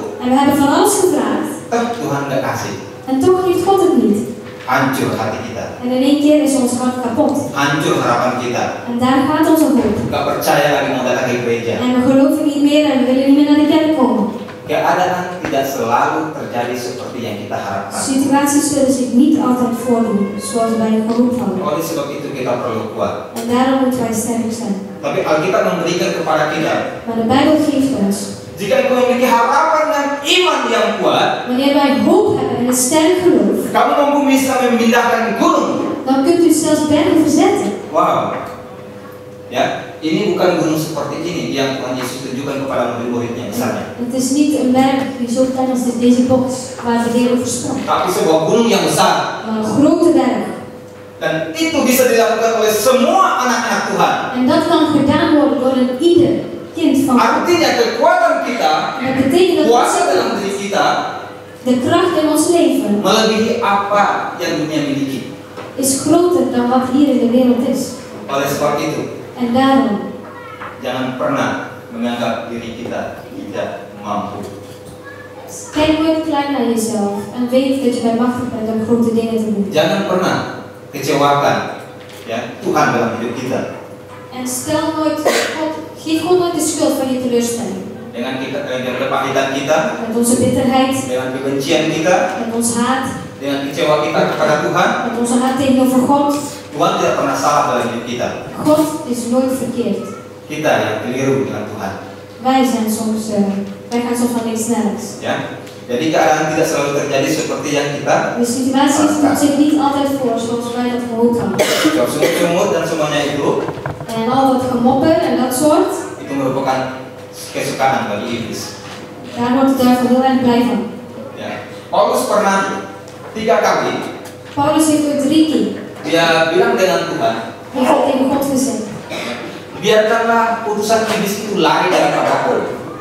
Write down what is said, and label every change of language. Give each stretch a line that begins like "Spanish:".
Dutch: En we hebben van alles gevraagd.
Indonesian: Tuhan tidak kasih.
Dutch: En toch heeft God het niet.
Indonesian: Hancur hati kita.
Dutch: En in één keer is ons hart kapot.
Indonesian: Hancur harapan kita.
Dutch: En daar gaat onze hoop.
Indonesian: Gak percaya lagi mau datang ke gereja.
Dutch: En we geloven niet meer en we willen niet meer naar de kerk komen.
Indonesian: Keadaan tidak selalu terjadi seperti yang kita harapkan. Situasi sudah
Dutch: zich niet altijd voordoen zoals wij geloven.
Indonesian: Oleh sebab itu kita perlu kuat.
Dutch: En daarom moeten wij sterk zijn.
Indonesian: Tapi Alkitab memberikan kepada kita.
Dutch: Maar de Bijbel geeft ons.
Indonesian: Jika kamu memiliki harapan dan iman yang kuat.
Dutch: Wanneer wij hoop hebben en een sterk geloof.
Indonesian: Kamu mampu bisa memindahkan gunung.
Dutch: Dan kunt u zelfs bergen verzetten. Wow.
Indonesian: Ya, ini bukan gunung seperti ini yang Tuhan Yesus tunjukkan kepada murid-muridnya misalnya.
Dutch: Het is niet een berg die zo klein als deze box waar de Heer over sprak.
Indonesian: Tapi sebuah gunung yang besar.
Dutch: Maar een grote berg.
Indonesian: Dan itu bisa dilakukan oleh semua anak-anak Tuhan.
Dutch: En dat kan gedaan worden door een ieder kind van
Indonesian: God. Artinya kekuatan kita.
Dutch: Dat betekent dat
Indonesian: kuasa dalam diri kita.
Dutch: De kracht in ons leven.
Indonesian: Melebihi apa yang dunia miliki.
Dutch: Is groter dan wat hier in de wereld is.
Indonesian: Oleh sebab itu.
Dutch: En daarom.
Indonesian: Jangan pernah menganggap diri kita tidak mampu.
Dutch: Kijk nooit klein naar jezelf en weet dat je bij macht bent om grote dingen te doen.
Indonesian: Jangan pernah kecewakan ya Tuhan dalam hidup kita.
Dutch: En stel nooit God, geef God nooit de schuld van je teleurstelling.
Indonesian: Dengan kita dengan kepahitan kita.
Dutch: Met onze bitterheid.
Indonesian: Dengan kebencian kita.
Dutch: Met ons haat.
Indonesian: Dengan kecewa kita kepada Tuhan.
Dutch: Met onze haat tegenover God.
Indonesian: Tuhan tidak pernah salah dalam hidup kita.
Dutch: God is nooit verkeerd.
Indonesian: Kita yang keliru dengan Tuhan.
Dutch: Wij zijn soms, wij gaan soms van iets naar iets.
Indonesian: Ya, jadi keadaan tidak selalu terjadi seperti yang kita.
Dutch: De situatie komt zich niet altijd voor zoals wij dat gehoopt hadden.
Indonesian: Semua cemut dan semuanya itu.
Dutch: En al dat gemoppen en dat soort.
Indonesian: Itu merupakan kesukaan bagi iblis.
Dutch: Daar wordt de duivel heel erg blij van.
Indonesian: Ya, Paulus pernah tiga kali. Paulus itu drie kali. Dia bilang dengan Tuhan. Dia bilang dengan Tuhan. Biarkanlah urusan iblis itu lari dari kepadaku.